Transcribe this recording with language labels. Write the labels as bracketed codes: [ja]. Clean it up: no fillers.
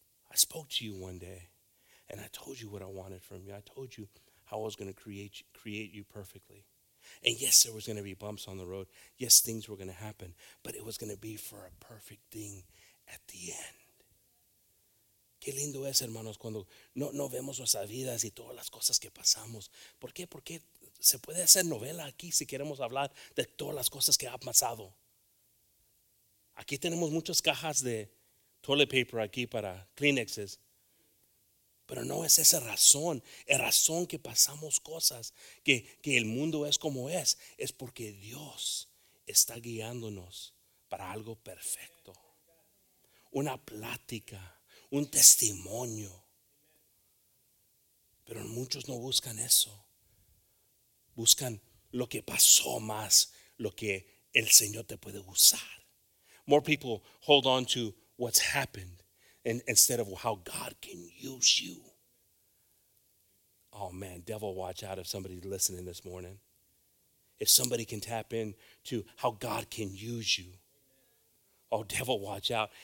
[en] I spoke to you one day. And I told you what I wanted from you. I told you how I was going to create you perfectly. And yes, there was going to be bumps on the road. Yes, things were going to happen. But it was going to be for a perfect thing at the end. [es] Qué lindo es, hermanos, cuando no vemos nuestras vidas y todas las cosas que pasamos. ¿Por qué? Porque se puede hacer novela aquí si queremos hablar de todas las cosas que ha pasado. Aquí tenemos muchas cajas de toilet paper aquí para Kleenexes. Pero no es esa razón. Es razón que pasamos cosas, que el mundo es como es. Es porque Dios está guiándonos para algo perfecto. Una plática. Un testimonio. Pero muchos no buscan eso. Buscan lo que pasó más, lo que el Señor te puede usar. [en] More people hold on to what's happened instead of how God can use you. Oh man, devil, watch out if somebody's listening this morning. If somebody can tap in to how God can use you. Oh, devil, watch out.